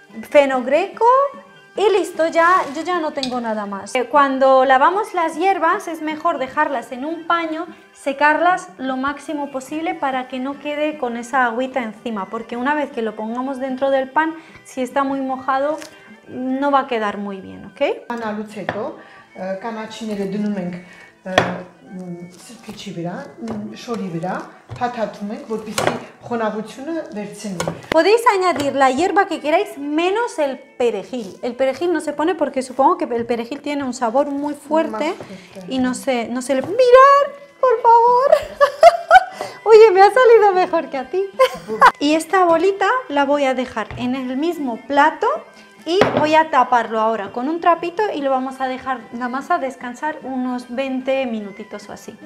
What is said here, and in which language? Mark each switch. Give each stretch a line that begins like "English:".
Spanish: Fenogreco y listo, ya yo ya no tengo nada más. Cuando lavamos las hierbas, es mejor dejarlas en un paño, secarlas lo máximo posible para que no quede con esa agüita encima, porque una vez que lo pongamos dentro del pan, si está muy mojado, no va a quedar muy bien, ¿ok?
Armenian: Ana Luceto, կանաչիները դնում ենք սրկիչի վրա, շորի վրա փաթաթում ենք, որպեսզի խոնավությունը վերցնի։
Spanish: Podéis añadir la hierba que queráis menos el perejil. El perejil no se pone porque supongo que el perejil tiene un sabor muy fuerte y no se le... Mirar, por favor. Oye, me ha salido mejor que a ti. Y esta bolita la voy a dejar en el mismo plato y voy a taparlo ahora con un trapito y lo vamos a dejar la masa descansar unos 20 minutitos o así.